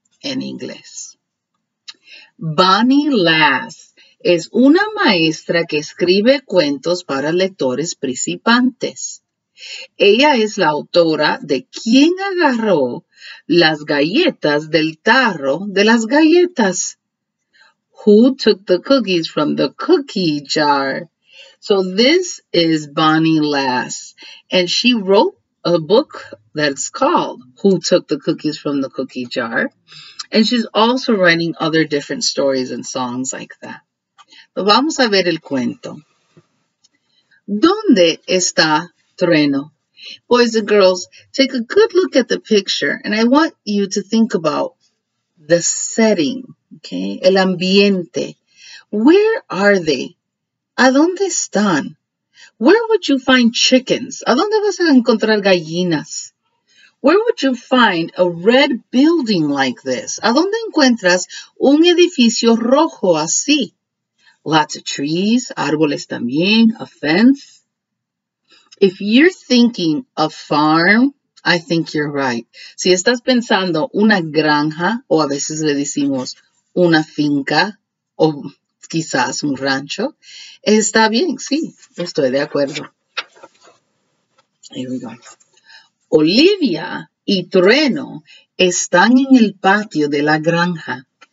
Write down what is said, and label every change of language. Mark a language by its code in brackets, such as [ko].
[es] En inglés, Bonnie Lass es una maestra que escribe cuentos para lectores principiantes. Ella es la autora de ¿Quién agarró las galletas del tarro de las galletas? [en] Who took the cookies from the cookie jar? So this is Bonnie Lass, and she wrote a book that's called Who Took the Cookies from the Cookie Jar? And she's also writing other different stories and songs like that. [es] Vamos a ver el cuento. ¿Dónde está Trueno? [en] Boys and girls, take a good look at the picture and I want you to think about the setting, okay? [es] El ambiente. [en] Where are they? [es] ¿A dónde están? [en] Where would you find chickens? [es] ¿A dónde vas a encontrar gallinas? [en] Where would you find a red building like this? [es] ¿A dónde encuentras un edificio rojo así? [en] Lots of trees, [es] árboles también, [en] a fence. If you're thinking a farm, I think you're right. [es] Si estás pensando una granja, o a veces le decimos una finca, o quizás un rancho, está bien, sí, estoy de acuerdo. [en] Here we go. [es] Olivia y Trueno están en el patio de la granja.